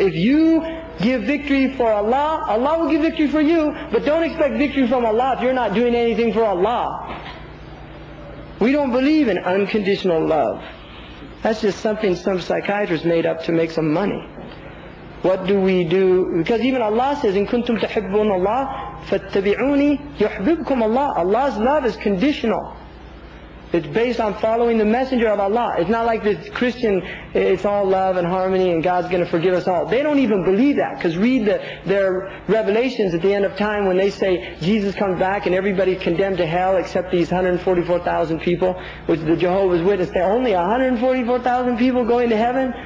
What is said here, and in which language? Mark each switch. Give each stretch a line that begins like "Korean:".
English: If you give victory for Allah, Allah will give victory for you, but don't expect victory from Allah if you're not doing anything for Allah. We don't believe in unconditional love. That's just something some psychiatrist made up to make some money. What do we do? Because even Allah says,
Arabic: إِن كُنْتُمْ تَحِبُّونَ اللَّهِ فَاتَّبِعُونِي يُحْبِبْكُمْ اللَّهِ.
English: Allah's love is conditional. It's based on following the messenger of Allah. It's not like the Christian, it's all love and harmony and God's going to forgive us all. They don't even believe that. Because read their revelations at the end of time when they say Jesus comes back and everybody's condemned to hell except these 144,000 people, which the Jehovah's Witness, they're only 144,000 people going to heaven.